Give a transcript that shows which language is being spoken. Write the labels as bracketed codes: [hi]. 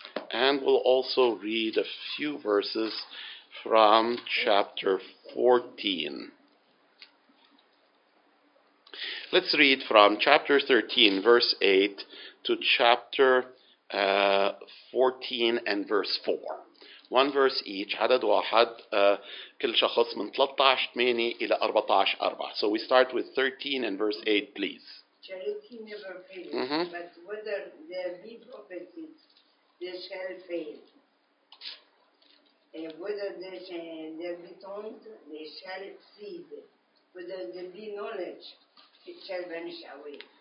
[en] And we'll also read a few verses from chapter 14. Let's read from chapter 13, verse 8, to chapter 14 and verse 4. One verse each, [ar] عدد واحد كل شخص من 13:8 إلى 14:4. [en] So we start with 13 and verse 8, please. Charity never fails, but whether there be prophecies, they shall fail. And whether there be tongues, they shall exceed. Whether there be knowledge, it shall vanish away.